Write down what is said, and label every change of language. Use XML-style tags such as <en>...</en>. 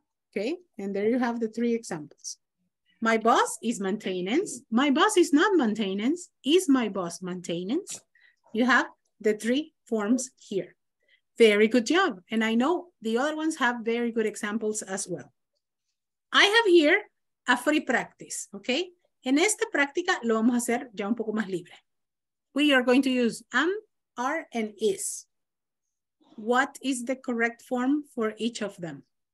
<en>Okay. And there you have the three examples. My boss is maintenance. My boss is not maintenance. Is my boss maintenance? You have the three forms here. Very good job. And I know the other ones have very good examples as well. I have here a free practice, okay?</en> <es>En esta práctica lo vamos a hacer ya un poco más libre.</es> <en>We are going to use am, are, and is. What is the correct form for each of them?</en>